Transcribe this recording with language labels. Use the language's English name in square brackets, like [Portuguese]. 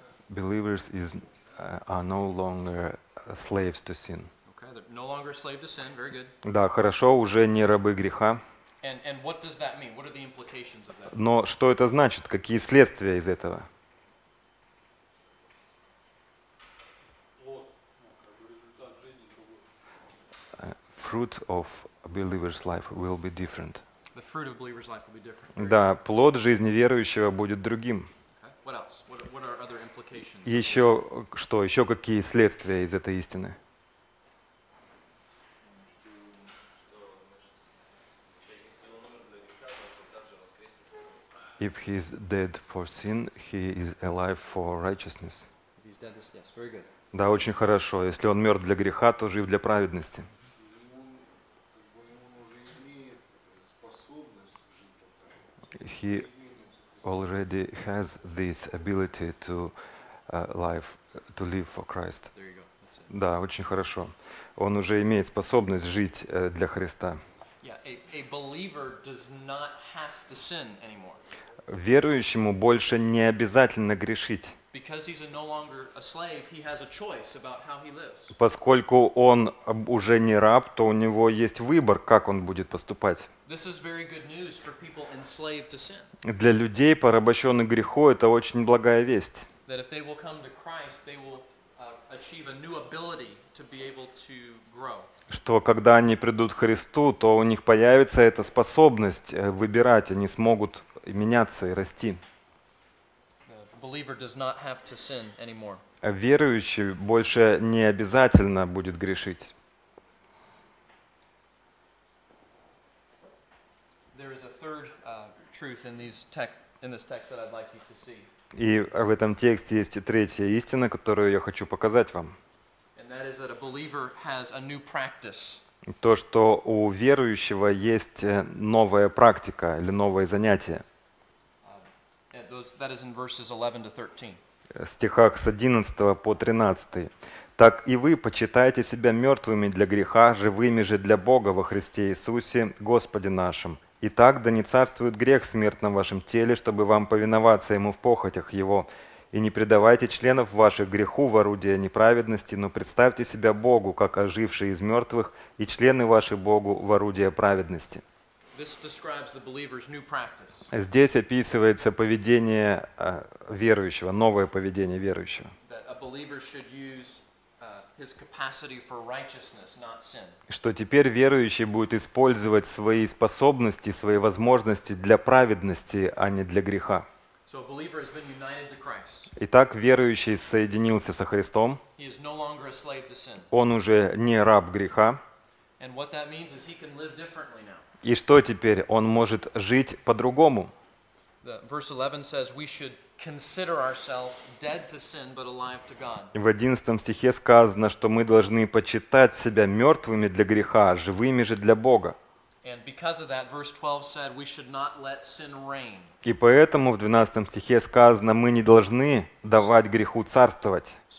[English] Believers is are no longer slaves to sin. Okay, they're no longer slave to sin. Very good. [Russian] Да, хорошо, уже не рабы греха. [English] And what does that mean? What are the implications of that? [Russian] Но что это значит? Какие следствия из этого? [English] Fruit of a believer's life will be different. The fruit of believer's life will be different. [Russian] Да, плод жизни верующего будет другим. [English] What else? What are other implications? [Russian] Еще что? Еще какие следствия из этой истины? [English] If he is dead for sin, he is alive for righteousness. If he's dead, yes, very good. [Russian] Да, очень хорошо. Если он мертв для греха, то жив для праведности. [English] He already has this ability to live to live for Christ. There you go. That's it. [Russian] Да, очень хорошо. Он уже имеет способность жить для Христа. [English] Yeah, a believer does not have to sin anymore. [Russian] Верующему больше не обязательно грешить. [English] Because he's no longer a slave, he has a choice about how he lives. [Russian] Поскольку он уже не раб, то у него есть выбор, как он будет поступать. [English] This is very good news for people enslaved to sin. [Russian] Для людей, порабощенных грехом, это очень благая весть. [English] That if they will come to Christ, they will achieve a new ability to be able to grow. [Russian] Что когда они придут к Христу, то у них появится эта способность выбирать, они смогут меняться и расти. [English] Believer does not have to sin anymore. [Russian] Верующий больше не обязательно будет грешить. [English] There is a third truth in these text in this text that I'd like you to see. [Russian] И в этом тексте есть и третья истина, которую я хочу показать вам. [English] And that is that a believer has a new practice. [Russian] То, что у верующего есть новая практика или новое занятие. [English] That is in verses 11 to 13. [Russian] В стихах с 11 по 13. Так и вы почитайте себя мертвыми для греха, живыми же для Бога во Христе Иисусе, Господе нашем. Итак, да не царствует грех смерть на вашем теле, чтобы вам повиноваться ему в похотях его. И не предавайте членов ваших греху в орудие неправедности, но представьте себя Богу, как оживший из мертвых, и члены ваши Богу в орудие праведности. [English] This describes the believer's new practice. [Russian] Здесь описывается поведение верующего, новое поведение верующего. [English] That a believer should use his capacity for righteousness, not sin. [Russian] Что теперь верующий будет использовать свои способности, свои возможности для праведности, а не для греха. [English] So a believer has been united to Christ. [Russian] Итак, верующий соединился со Христом. [English] He is no longer a slave to sin. [Russian] Он уже не раб греха. [English] And what that means is he can live differently now. [Russian] И что теперь? Он может жить по-другому. В 11 стихе сказано, что мы должны почитать себя мертвыми для греха, живыми же для Бога. И поэтому в 12 стихе сказано, мы не должны давать греху царствовать.